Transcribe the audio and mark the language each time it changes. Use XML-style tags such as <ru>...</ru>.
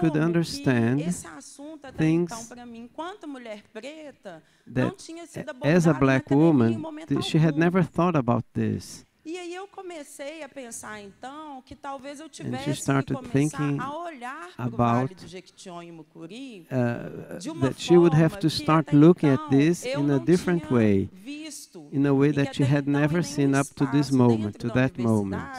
<pt>que esse assunto até então para mim, enquanto mulher preta, não tinha sido abordado</pt> <en>as a black woman, she had never thought about this.</en> <pt>E aí eu comecei a pensar então que talvez eu tivesse que começar a olhar para o Vale do Jequitinhonha e Mucuri de uma forma</pt> <en>that she would have to start looking at this in a different way,</en> <pt>visto,</pt> <en>in a way that she had</en> <pt>então</pt> <en>never seen up to this moment, to that moment.</en>